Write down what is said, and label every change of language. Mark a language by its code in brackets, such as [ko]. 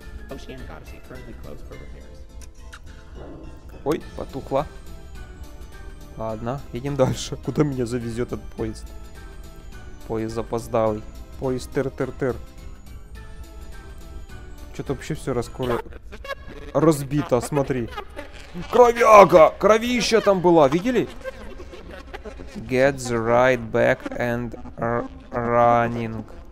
[en] Oceanic Odyssey currently closed for repairs. [ru] Ой, потухла. Ладно, едем дальше. Куда меня завезет этот поезд? Поезд опоздалый. Поезд тыр-тыр-тыр. Что-то вообще все разбито, смотри. Кровяга! Кровища там была, видели? [en] Get the ride back and running.